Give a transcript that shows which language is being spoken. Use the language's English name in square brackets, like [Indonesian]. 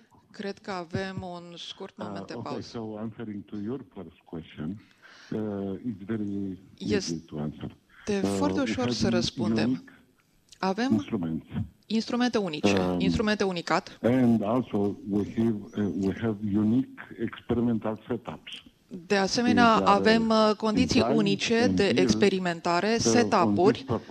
[Romanian] Cred că avem un scurt moment de pauză. [English] So answering to your first question, it's very easy to answer. [Romanian] Este foarte ușor să răspundem. Avem instrumente unice, instrumente unicat. [English] And also we have unique experimental setups. [Romanian] De asemenea, avem condiții unice de experimentare, setup-uri.